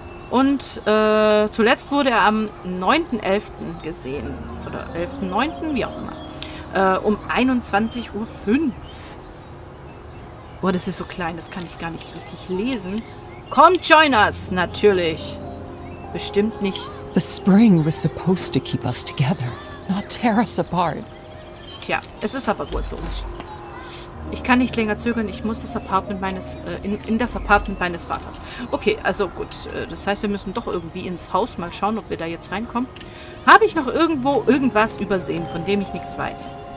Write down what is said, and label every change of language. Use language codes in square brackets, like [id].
[de] Und zuletzt wurde er am 9.11. gesehen. Oder 11.09., wie auch immer. Um 21.05 Uhr. Boah, das ist so klein, das kann ich gar nicht richtig lesen. [en] Come join us, [de] natürlich. Bestimmt nicht. [en] The spring was supposed to keep us together, not tear us apart. [de] Tja, es ist aber wohl so. Ich kann nicht länger zögern, ich muss das Apartment meines in das Apartment meines Vaters. Okay, also gut, das heißt, wir müssen doch irgendwie ins Haus mal schauen, ob wir da jetzt reinkommen. Habe ich noch irgendwo irgendwas übersehen, von dem ich nichts weiß?